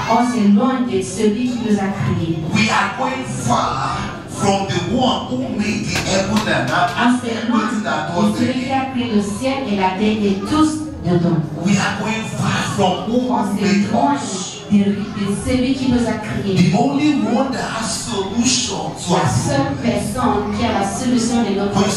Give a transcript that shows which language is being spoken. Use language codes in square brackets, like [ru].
[fr] On s'éloigne de celui qui nous a créés. [en] We are going far from the one who made the heaven and earth. [fr] On s'éloigne de celui qui a créé le ciel et la terre et tous dedans. [en] We are going far from whom [fr] on s'éloigne de celui qui nous a créés. [en] The only one that has solution to [fr] la seule personne qui a la solution de notre